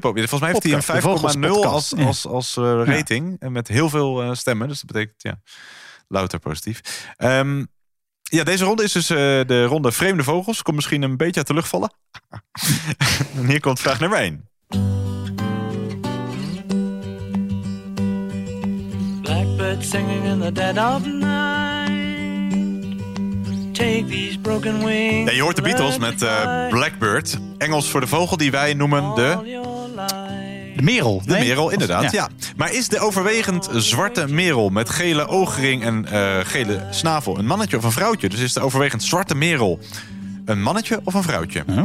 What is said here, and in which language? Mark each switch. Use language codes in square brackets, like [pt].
[nl] Volgens mij heeft hij een 5,0 als rating. Ja. Met heel veel stemmen. Dus dat betekent... ja. Louter positief. Ja, deze ronde is dus de ronde vreemde vogels. Komt misschien een beetje uit de lucht vallen. En hier komt vraag nummer 1. [en] Blackbird singing in the dead of night. Take these broken wings. [nl] Nee, je hoort de Beatles met Blackbird. Engels voor de vogel die wij noemen de... De merel. De merel, inderdaad, ja. Maar is de overwegend zwarte merel met gele oogring en gele snavel een mannetje of een vrouwtje? Dus is de overwegend zwarte merel een mannetje of een vrouwtje?